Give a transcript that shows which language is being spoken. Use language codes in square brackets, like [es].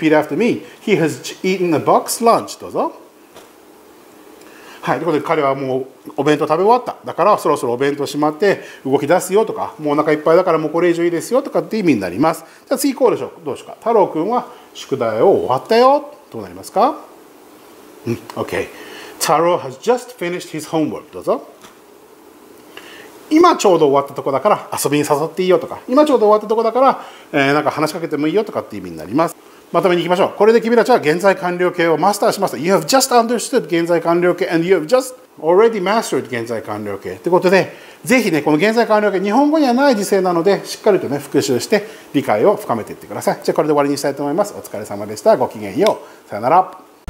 [en] Repeat after me. He has eaten a box lunch. [ja] どうぞ。はい、ということで彼はもうお弁当食べ終わった。だからそろそろお弁当しまって動き出すよとか、もうお腹いっぱいだからもうこれ以上いいですよとかって意味になります。じゃあ次行こうでしょう。どうしようか。太郎くんは宿題を終わったよ。どうなりますか？OK. [en] 太郎 has just finished his homework. [ja] どうぞ。今ちょうど終わったとこだから遊びに誘っていいよとか、今ちょうど終わったとこだから、なんか話しかけてもいいよとかって意味になります。まとめにいきましょう。これで君たちは現在完了形をマスターしました。 [en] You have just understood 現在完了形 and you have just already mastered 現在完了形。 [ja] ということで、ぜひね、この現在完了形、日本語にはない時制なので、しっかりとね、復習して理解を深めていってください。じゃあこれで終わりにしたいと思います。お疲れ様でした。ごきげんよう。さよなら。